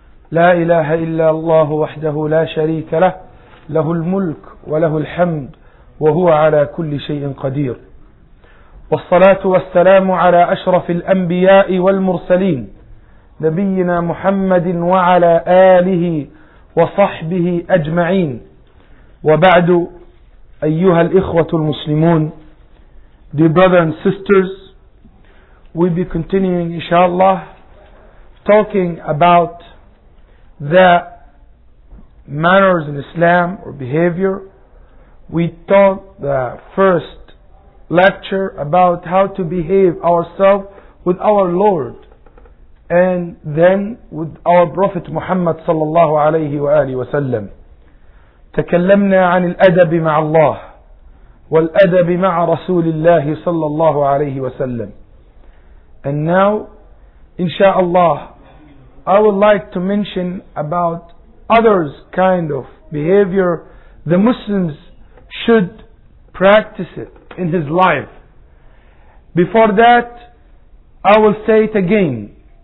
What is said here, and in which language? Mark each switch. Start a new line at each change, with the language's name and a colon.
Arabic: لا إله إلا الله وحده لا شريك له، له الملك وله الحمد وهو على كل شيء قدير. والصلاة والسلام على أشرف الأنبياء والمرسلين نبينا محمد وعلى آله وصحبه أجمعين. وبعد، أيها الإخوة المسلمون،
English: the brothers and sisters, we'll be continuing inshallah talking about the manners in Islam or behavior. We taught the first lecture about how to behave ourselves with our Lord and then with our Prophet Muhammad sallallahu alayhi wa alihi wa sallam.
Arabic: تكلمنا عن الأدب مع الله والأدب مع رسول الله صلى الله عليه وسلم.
English: And now, inshallah, I would like to mention about others kind of behavior the Muslims should practice it in his life. Before that, I will say it again.